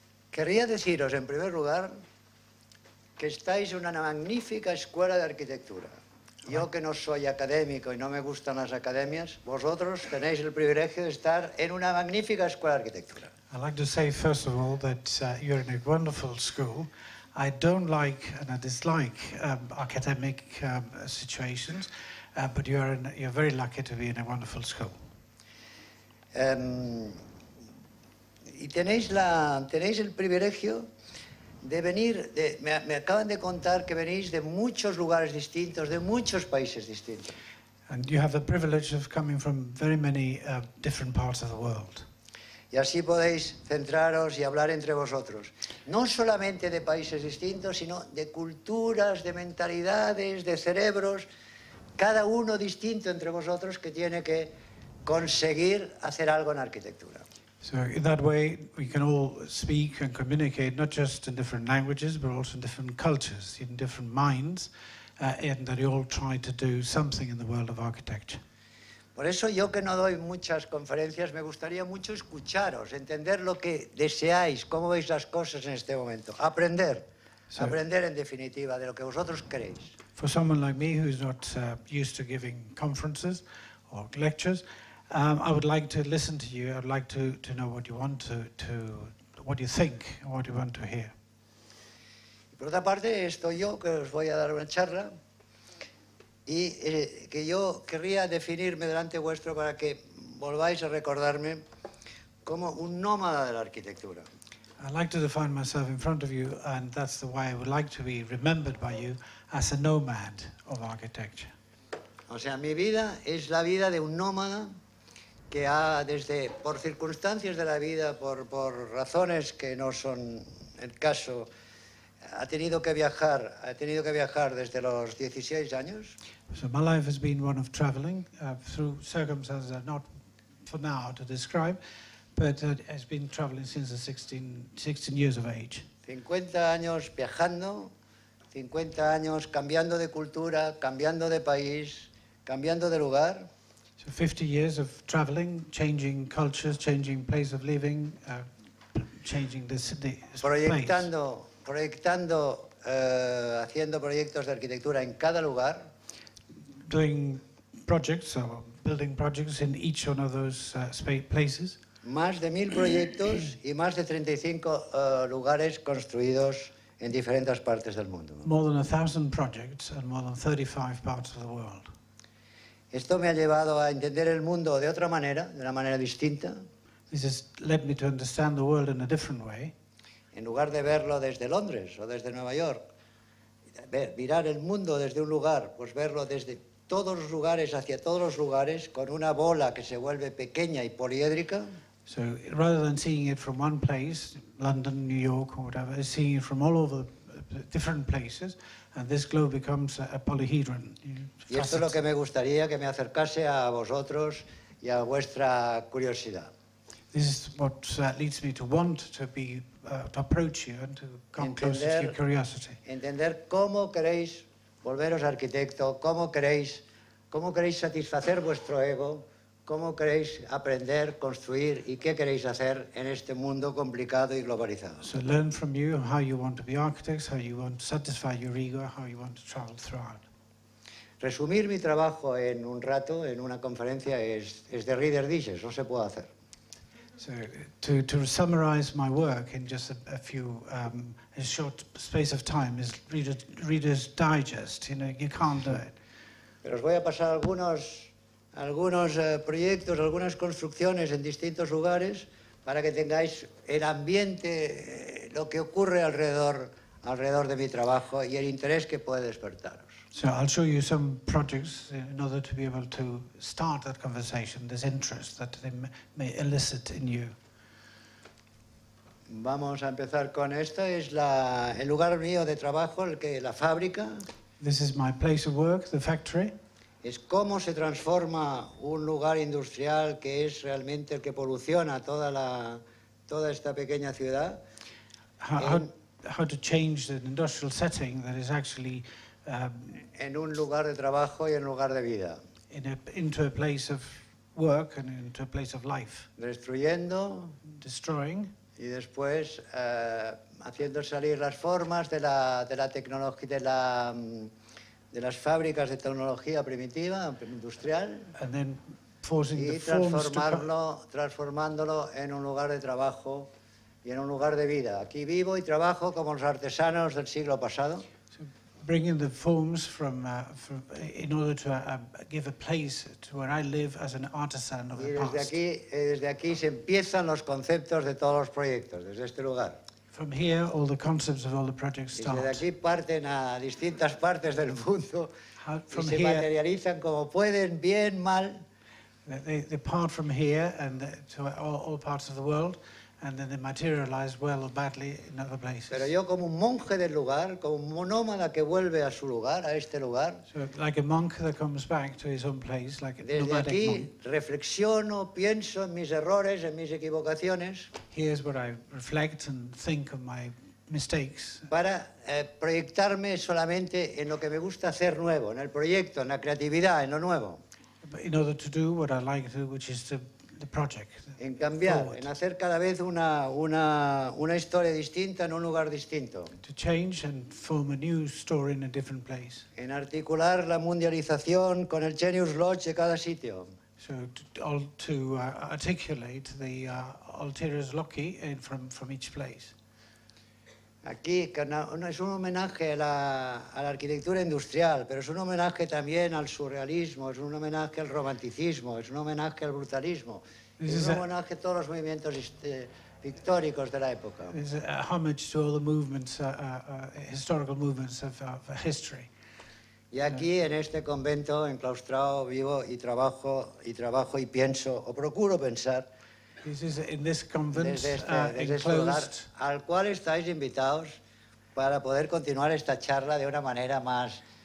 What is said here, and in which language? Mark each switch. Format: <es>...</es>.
<es>Quería deciros, en primer lugar, que estáis en una magnífica escuela de arquitectura. Yo, que no soy académico y no me gustan las academias, vosotros tenéis el privilegio de estar en una magnífica escuela de arquitectura.</es> <en>I'd like to say, first of all, that you're in a wonderful school. I don't like and I dislike academic situations, but you're very lucky to be in a wonderful school.</en> <es>Y tenéis el privilegio de venir, me acaban de contar que venís de muchos lugares distintos, de muchos países distintos.</es> <en>And you have the privilege of coming from very many different parts of the world.</en> <es>Y así podéis centraros y hablar entre vosotros. No solamente de países distintos, sino de culturas, de mentalidades, de cerebros, cada uno distinto entre vosotros que tiene que conseguir hacer algo en arquitectura.</es> <en>So in that way, we can all speak and communicate, not just in different languages, but also in different cultures, in different minds, and that you all try to do something in the world of architecture.</en> <es>Por eso yo que no doy muchas conferencias, me gustaría mucho escucharos, entender lo que deseáis, cómo veis las cosas en este momento. Aprender, so, aprender en definitiva de lo que vosotros creéis.</es> <en>For someone like me who is not used to giving conferences or lectures, I would like to listen to you. I'd like to know what you want to what you think, what you want to hear.</en> <es>Por otra parte, estoy yo que os voy a dar una charla. Y que yo querría definirme delante vuestro para que volváis a recordarme como un nómada de la arquitectura.</es> <en>I'd like to define myself in front of you, and that's the way I would like to be remembered by you as a nomad of architecture.</en> <es>O sea, mi vida es la vida de un nómada que ha, desde por circunstancias de la vida, por razones que no son el caso, ha tenido que viajar desde los 16 años.</es> <en>So my life has been one of traveling through circumstances that are not for now to describe, but has been traveling since the 16 years of age.</en> <es>50 años viajando, 50 años cambiando de cultura, cambiando de país, cambiando de lugar.</es> <en>So 50 years of traveling, changing cultures, changing place of living, changing the city.</en> <es>Haciendo proyectos de arquitectura en cada lugar.</es> <en>Doing projects or building projects in each one of those places.</en> <es>Más de 1,000 proyectos y más de 35 lugares construidos en diferentes partes del mundo.</es> <en>More than 1,000 projects and more than 35 parts of the world.</en> <es>Esto me ha llevado a entender el mundo de otra manera, de una manera distinta.</es> <en>This has led me to understand the world in a different way.</en> <es>En lugar de verlo desde Londres o desde Nueva York, mirar el mundo desde un lugar, pues verlo desde todos los lugares, hacia todos los lugares, con una bola que se vuelve pequeña y poliédrica.</es> <en>So, rather than seeing it from one place, London, New York, or whatever, seeing it from all over different places, and this globe becomes a polyhedron.</en> <es>Y esto es lo que me gustaría, que me acercase a vosotros y a vuestra curiosidad.</es> <en>This is what leads me to want to be to approach you and to come closer to your curiosity.</en> <es>Entender cómo queréis volveros arquitecto, cómo queréis satisfacer vuestro ego, cómo queréis aprender, construir y qué queréis hacer en este mundo complicado y globalizado.</es> <en>So learn from you how you want to be architects, how you want to satisfy your ego, how you want to travel throughout.</en> <es>Resumir mi trabajo en un rato, en una conferencia, es de reader digest, no se puede hacer.</es> <en>So to summarize my work in just a few a short space of time is Reader's Digest. You know, you can't do it.</en> <es>Pero os voy a pasar algunos proyectos, algunas construcciones en distintos lugares para que tengáis el ambiente, lo que ocurre alrededor de mi trabajo y el interés que puede despertaros.</es> <en>So I'll show you some projects in order to be able to start that conversation, this interest that they may elicit in you.</en> <es>Vamos a empezar con esto. Es el lugar mío de trabajo, la fábrica.</es> <en>This is my place of work, the factory.</en> <es>Es cómo se transforma un lugar industrial que es realmente el que poluciona toda esta pequeña ciudad.</es> <en>How to change the industrial setting that is actually</en> <es>en un lugar de trabajo y en lugar de vida.</es> <en>Into a place of work and into a place of life.</en> <es>Destruyendo.</es> <en>Destroying.</en> <es>Y después haciendo salir las formas de la tecnología de las fábricas de tecnología primitiva industrial.</es> <en>And then transforming the forms to come.</en> <es>Transformándolo en un lugar de trabajo y en un lugar de vida. Aquí vivo y trabajo como los artesanos del siglo pasado.</es> <en>Bringing the forms from in order to give a place to where I live as an artisan of the past.</en> <es>Y desde aquí se empiezan los conceptos de todos los proyectos desde este lugar.</es> <en>From here, all the concepts of all the projects start.</en> <es>Y desde aquí parten a distintas partes del mundo.</es> <en>From</en> <es>y se</es> <en>here,</en> <es>materializan como pueden, bien, mal.</es> <en>They part from here and to all parts of the world. And then they materialize well or badly in other places.</en> <es>Pero yo como un monje del lugar, como un nómada que vuelve a su lugar, a este lugar.</es> <en>So like a monk that comes back to his own place, like a nomadic monk.</en> <es>Desde aquí reflexiono, pienso en mis errores, en mis equivocaciones.</es> <en>Here's what I reflect and think of my mistakes.</en> <es>Para proyectarme solamente en lo que me gusta hacer nuevo, en el proyecto, en la creatividad, en lo nuevo.</es> <en>But in order to do what I like to, which is to the project.</en> <es>En cambiar,</es> <en>forward.</en> <es>En hacer cada vez una historia distinta en un lugar distinto.</es> <en>To change and form a new story in a different place.</en> <es>En articular la mundialización con el genius loci de cada sitio.</es> <en>So to articulate the ulterior loci from each place.</en> <es>Aquí es un homenaje a la arquitectura industrial, pero es un homenaje también al surrealismo, es un homenaje al romanticismo, es un homenaje al brutalismo, es un homenaje a todos los movimientos pictóricos de la época.</es> <en>It's a homage to all the movements, historical movements of history.</en> <es>Y aquí en este convento enclaustrado vivo y trabajo y pienso o procuro pensar.</es> <en>This is in this convent, enclosed.</en> <es>Al cual estáis invitados para poder continuar esta charla de una manera más.</es>